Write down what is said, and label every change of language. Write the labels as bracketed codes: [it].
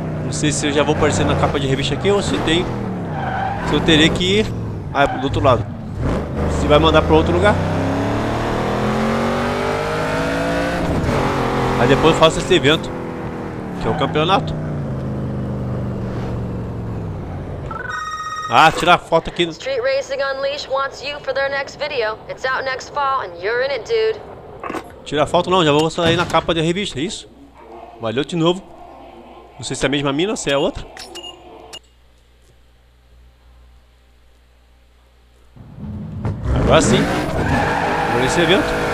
[pt] Não sei se eu já vou aparecer na capa de revista aqui ou se tem. Se eu terei que ir. Ah, é do outro lado. Se vai mandar para outro lugar. Aí depois eu faço esse evento, que é o campeonato. Ah, tirar foto aqui. [en] Street Racing Unleashed wants you for their next video. It's out next fall and you're in it, dude. [pt] Tira foto não, já vou sair na capa da revista, é isso? Valeu de novo. Não sei se é a mesma mina ou se é a outra. Agora sim. Vou nesse evento.